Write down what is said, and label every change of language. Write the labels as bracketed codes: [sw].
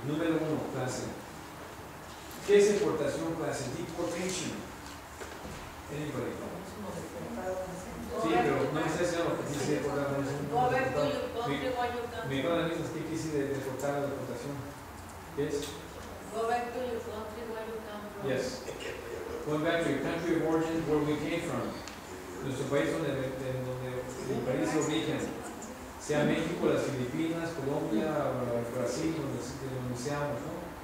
[es] Número uno, clase. ¿Qué es importación, clase? Deportation. ¿Tiene por ahí? Sí, pero no me está diciendo lo que dice deportar. No, me van a decir qué quise de deportar a la deportación. ¿Qué es? [en] Go back to your country where you come from. Yes. Go back to your country of origin, where we came from. [es] Nuestro país donde el país de origen. Sea México, las Filipinas, Colombia, Brasil, donde seamos, ¿no?